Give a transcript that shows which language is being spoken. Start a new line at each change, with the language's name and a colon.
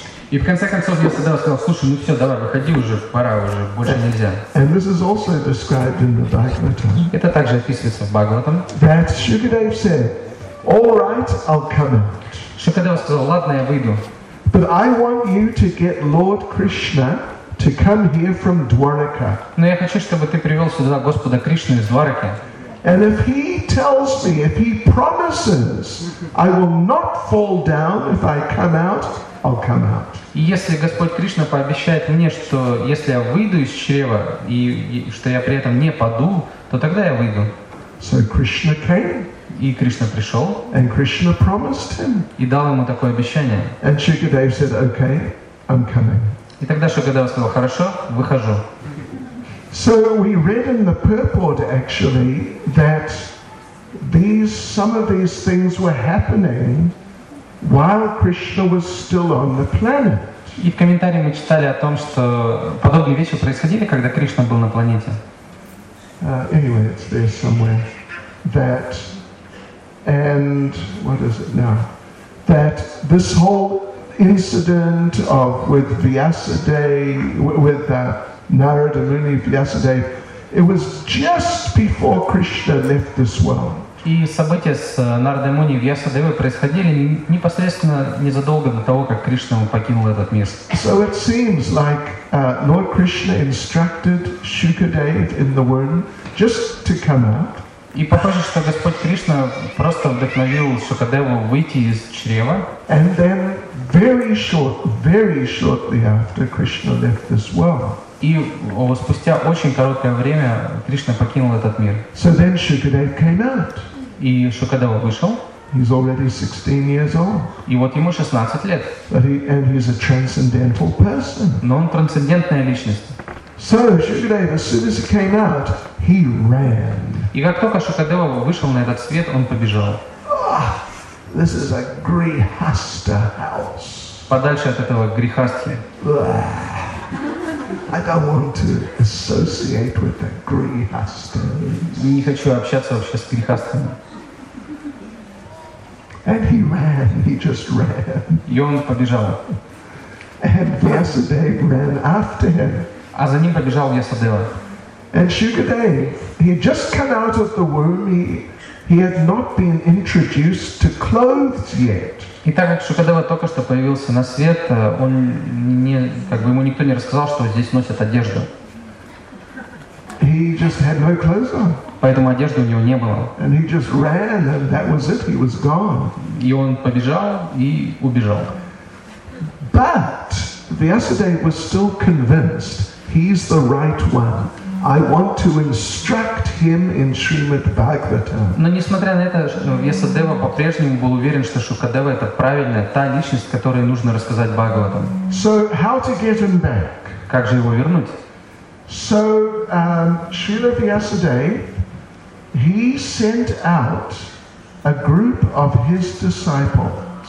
Russian: И в конце концов Вьясадева сказал, слушай, ну все, давай, выходи уже, пора уже, больше нельзя.
English: And this is also described in the Bhagavatam.
Russian: Это также описывается в Бхагаватам.
English: That Shukadev said, all right, I'll come out.
Russian: Шукадева сказал, ладно, я выйду.
English: But I want you to get Lord Krishna to come here from Dwaraka.
Russian: Но я хочу, чтобы ты привел сюда Господа Кришну из Двараки.
English: And if he tells me, if he promises, I will not fall down, if I come out, I'll come out.
Russian: И если Господь Кришна пообещает мне, что если я выйду из чрева и что я при этом не паду, то тогда я выйду.
English: So Krishna came.
Russian: И Кришна пришел.
English: And Krishna promised him.
Russian: И дал ему такое обещание.
English: And Shukadeva said, okay, I'm coming.
Russian: И тогда Шукадева сказал, хорошо, выхожу.
English: So we read in the purport actually that these some of these things were happening while Krishna was still on the planet.
Russian: И в комментарии мы читали о том, что подобные вещи происходили, когда Кришна был на планете.
English: Anyway, it's there somewhere that and what is it now? That this whole incident of with Vyasadeva with Narada Muni Vyasadeva, it was just before Krishna left this world.
Russian: И события с Нарадой Муни и Вьясадевой происходили непосредственно незадолго до того, как Кришна покинул этот мир.
English: So it seems like Lord Krishna instructed Shukadeva in the womb just to come out.
Russian: И похоже, что Господь Кришна просто вдохновил Шукадеву выйти из чрева.
English: And then very shortly after Krishna left this world.
Russian: И спустя очень короткое время Кришна покинул этот мир.
English: So then Shukadeva came out.
Russian: И Шукадева вышел.
English: He's already 16 years old.
Russian: И вот ему 16 лет.
English: And he's a transcendental person.
Russian: Но он трансцендентная личность.
English: So Shukadeva, as soon as he came out, he ran.
Russian: И как только Шукадева вышел на этот свет, он побежал.
English: Oh, this is a grihastha house.
Russian: Подальше от этого грихастхи.
English: I don't want to associate with the grihasthas.
Russian: Не хочу общаться вообще с грихастхами.
English: And he ran, he just ran.
Russian: И он побежал.
English: And Vyasadeva ran after him.
Russian: А за ним побежал Вьясадева.
English: And Shukadeva, he had just come out of the womb, he had not been introduced to clothes yet.
Russian: И так как Шукадева только что появился на свет, он не, как бы ему никто не рассказал, что здесь носят одежду.
English: He just had no clothes on.
Russian: Поэтому одежды у него не было.
English: And he just ran, and that was it. He was gone.
Russian: И он побежал и убежал.
English: But Vyasadeva was still convinced he's the right one. I want to instruct him in Srimad Bhagavatam.
Russian: Но несмотря на это, Вьясадева по-прежнему был уверен, что Шукадева это правильная та личность, которой нужно рассказать Бхагаватам.
English: So how to get him back?
Russian: Как же его вернуть?
English: So Srila Vyasadeva, he sent out a group of his disciples.